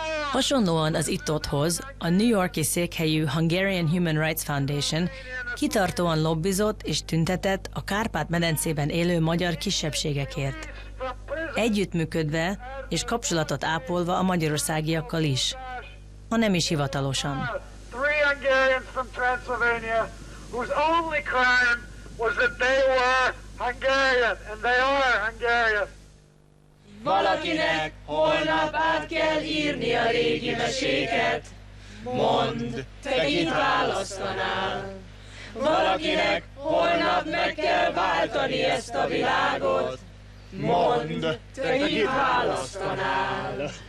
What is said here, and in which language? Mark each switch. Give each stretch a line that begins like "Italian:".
Hungarian: Hasonlóan az itt-otthoz, a New York-i székhelyű Hungarian Human Rights Foundation kitartóan lobbizott és tüntetett a Kárpát-medencében élő magyar kisebbségekért, együttműködve és kapcsolatot ápolva a magyarországiakkal is, ha nem is hivatalosan.
English: Three Hungarians from Transylvania whose only crime was that they were Hungarian, and they are Hungarian.
Hungarian: Valakinek holnap át kell írni a régi meséket, mondd, te mit választanál? Valakinek holnap meg kell váltani ezt a világot, mondd, te mit választanál?